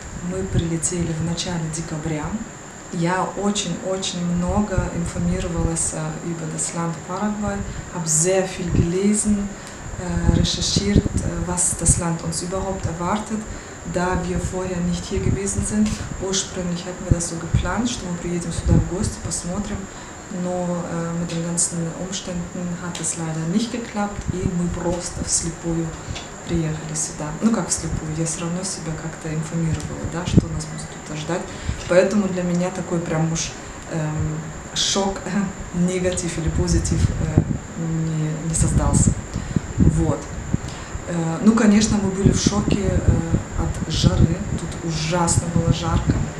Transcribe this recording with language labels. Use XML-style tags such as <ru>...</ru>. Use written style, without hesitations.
<ru>Мы прилетели в начале декабря. Я очень-очень много информировалась</ru> <de>über das Land Paraguay, habe sehr viel gelesen, recherchiert, was das Land uns überhaupt erwartet, da wir vorher nicht hier gewesen sind. Ursprünglich hatten wir das so geplant,</de> <ru>что мы приедем сюда в гости, посмотрим, но</ru> <de>mit den ganzen Umständen hat es leider nicht geklappt,</de> <ru>и мы просто вслепую приехали сюда. Ну как вслепую, я все равно себя как-то информировала, да, что нас будет тут ожидать. Поэтому для меня такой прям уж шок, негатив или позитив не создался. Вот. Ну, конечно, мы были в шоке от жары. Тут ужасно было жарко.</ru>